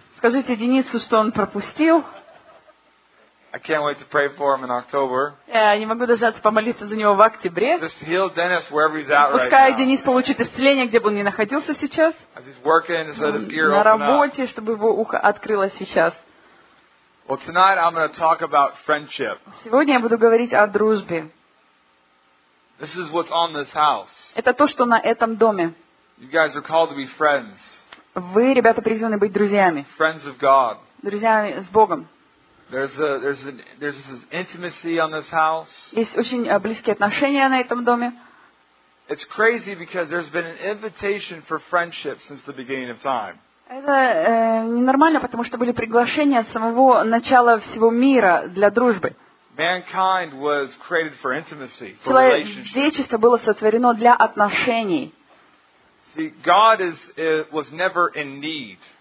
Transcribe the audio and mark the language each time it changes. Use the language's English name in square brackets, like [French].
[Russian] Скажите Денису, что он пропустил. [English] I can't wait to pray for him in October. [Russian] Я не могу дождаться помолиться за него в октябре. [English] Just heal Dennis wherever he's at right now. [Russian] Пускай Денис получит исцеление, где бы он ни находился сейчас. [English] As he's working, just let his ear open up. [Russian] На работе, чтобы его ухо открылось сейчас. [English] Well, tonight I'm going to talk about friendship. [Russian] Сегодня я буду говорить о дружбе. [English] This is what's on this house. [Russian] Это то, что на этом доме. [English] You guys are called to be friends. [Russian] Вы, ребята, призваны быть друзьями. [English] Friends of God. [Russian] Друзьями с Богом. [English] There's this intimacy on this house. [Russian] Есть очень близкие отношения на этом доме. [English] It's crazy because there's been an invitation for friendship since the beginning of time. [Russian] Это ненормально, потому что были приглашения от самого начала всего мира для дружбы. [English] Mankind was created for intimacy, for relationship. [Russian] Человечество было сотворено для отношений. [English] See, God was never in need.